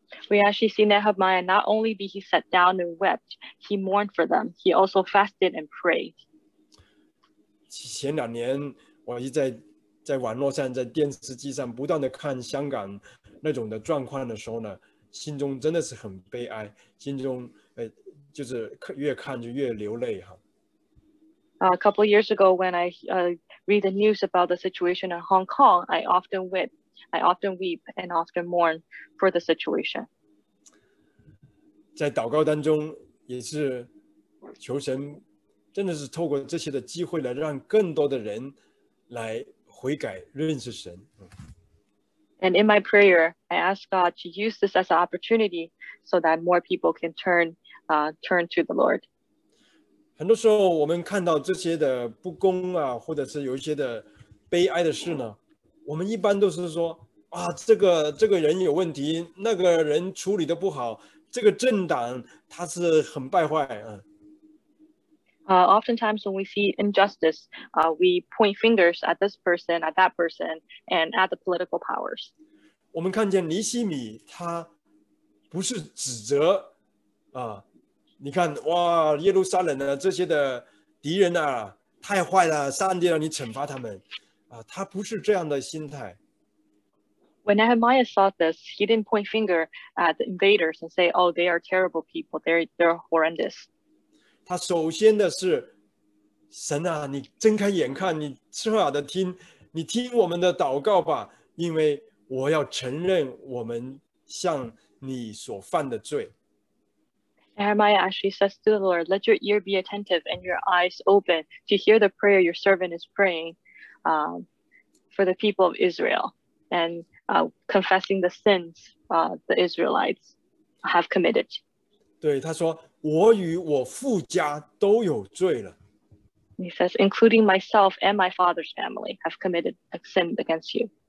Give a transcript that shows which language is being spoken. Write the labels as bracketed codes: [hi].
[en] We actually see Nehemiah, not only did he sat down and wept, he mourned for them. He also fasted and prayed. [zh] 前两年，我一直在网络上、在电视机上不断的看香港那种的状况的时候呢，心中真的是很悲哀，心中就是越看就越流泪哈。 [en] A couple of years ago, when I read the news about the situation in Hong Kong, I often weep and often mourn for the situation. [zh] 在祷告当中，也是求神，真的是透过这些的机会来让更多的人来悔改认识神。 [en] And in my prayer, I ask God to use this as an opportunity so that more people can turn to the Lord. [zh] 很多时候我们看到这些的不公啊，或者是有一些的悲哀的事呢。我们一般都是说、啊、这个人有问题，那个人处理的不好，这个政党他是很败坏、啊。 [en] Oftentimes when we see injustice, we point fingers at this person, at that person, and at the political powers. [zh] 我们看见尼西米他不是指责、啊、你看哇，耶路撒冷的这些的敌人啊，太坏了，上帝让你惩罚他们。他不是这样的心态。 [en] When Nehemiah saw this, he didn't point finger at the invaders and say, "Oh, they are terrible people. They're horrendous." [zh] 他首先的是，神啊，你睁开眼看，你侧耳的听，你听我们的祷告吧，因为我要承认我们向你所犯的罪。 [en] Nehemiah actually says to the Lord, "Let your ear be attentive and your eyes open to hear the prayer your servant is praying." For the people of Israel and confessing the sins the Israelites have committed. [zh] 对，他说，我与我父家都有罪了。 [en] He says, including myself and my father's family have committed a sin against you.